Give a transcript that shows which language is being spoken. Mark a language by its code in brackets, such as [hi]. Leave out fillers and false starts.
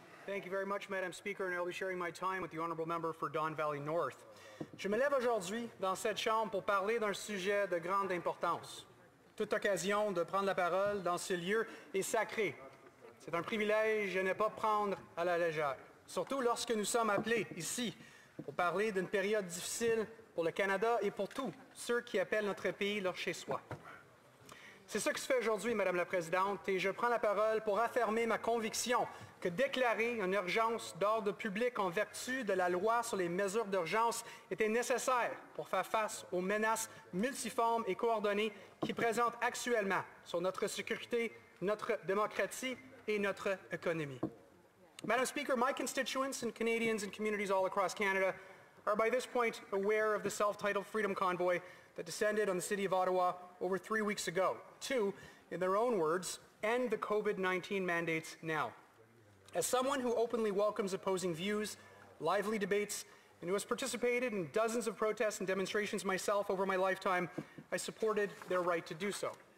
[en] Thank you very much, Madam Speaker, and I'll be sharing my time with the honorable member for Don Valley North. [fr] Je me lève aujourd'hui dans cette chambre pour parler d'un sujet de grande importance. Toute occasion de prendre la parole dans ce lieu est sacrée. C'est un privilège de ne pas prendre à la légère, surtout lorsque nous sommes appelés ici pour parler d'une période difficile pour le Canada et pour tous ceux qui appellent notre pays leur chez-soi. C'est ce qui se fait aujourd'hui, Madame la Présidente, et je prends la parole pour affirmer ma conviction que déclarer une urgence d'ordre public en vertu de la loi sur les mesures d'urgence était nécessaire pour faire face aux menaces multiformes et coordonnées qui présentent actuellement sur notre sécurité, notre démocratie et notre économie. [en] Madame Speaker, my constituents and Canadians and communities all across Canada are by this point aware of the self-titled Freedom Convoy that descended on the city of Ottawa over 3 weeks ago to, in their own words, end the COVID-19 mandates now. As someone who openly welcomes opposing views, lively debates, and who has participated in dozens of protests and demonstrations myself over my lifetime, I supported their right to do so.